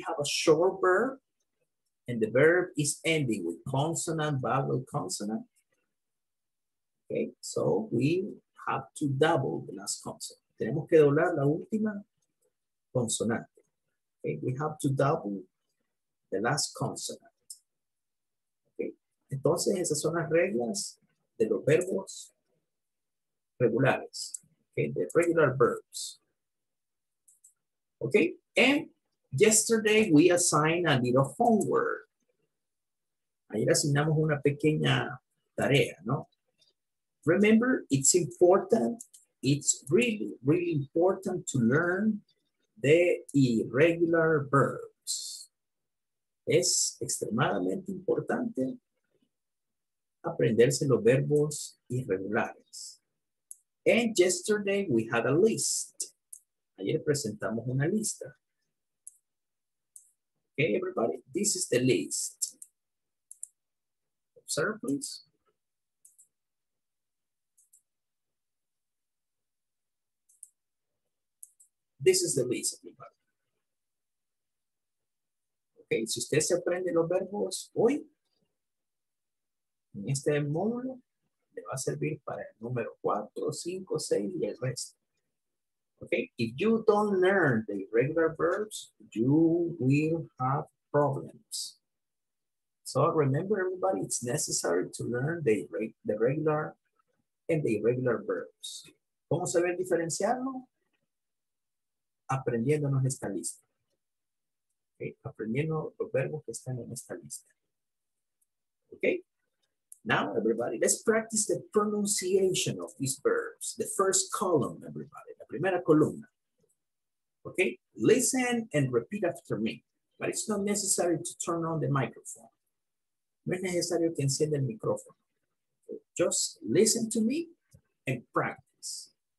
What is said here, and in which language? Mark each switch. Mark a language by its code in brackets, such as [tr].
[en] We have a short verb, and the verb is ending with consonant, vowel, consonant. Okay, so we have to double the last consonant. [es] Tenemos que doblar la última consonante. [en] Okay, we have to double the last consonant. [es] Okay, entonces esas son las reglas de los verbos regulares. [en] Okay, the regular verbs. Okay, and yesterday we assigned a little homework. [es] Ayer asignamos una pequeña tarea, ¿no? [en] Remember, it's important, it's really, really important to learn the irregular verbs. [es] Es extremadamente importante aprenderse los verbos irregulares. [en] And yesterday we had a list. [es] Ayer presentamos una lista. [en] Okay, everybody, this is the list. Observe, please. This is the list, everybody. [es] Okay, si usted se aprende los verbos hoy, en este módulo, le va a servir para el número 4, 5, 6 y el resto. [en] Okay, if you don't learn the irregular verbs, you will have problems. So remember, everybody, it's necessary to learn the regular and the irregular verbs. [es] ¿Cómo saber diferenciarlo? Aprendiéndonos esta lista. okay? Aprendiendo los verbos que están en esta lista. [en] Okay? Now, everybody, let's practice the pronunciation of these verbs. The first column, everybody, [es] la primera columna. [en] Okay? Listen and repeat after me. But it's not necessary to turn on the microphone. [es] No es necesario que encienda el micrófono. [en] Just listen to me and practice.